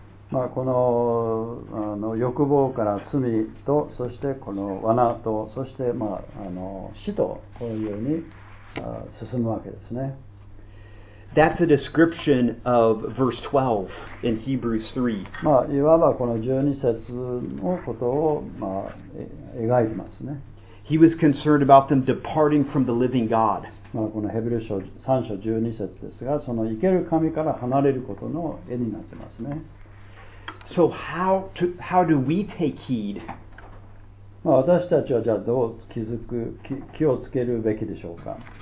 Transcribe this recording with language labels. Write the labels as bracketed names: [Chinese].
[Japanese] まあ、この、 欲望から罪と、そしてこの罠と、そして、まあ、死と、こういうように進むわけですね。 [English] That's a description of verse 12 in Hebrews 3. [Japanese] まあ、いわばこの12節のことを、まあ、描いてますね。 [English] He was concerned about them departing from the living God. [Japanese] まあ、このヘブル書3章12節ですが、その生ける神から離れることの絵になってますね。 [English] So how do we take heed? [Japanese] まあ、私たちはじゃあどう気づく、気をつけるべきでしょうか?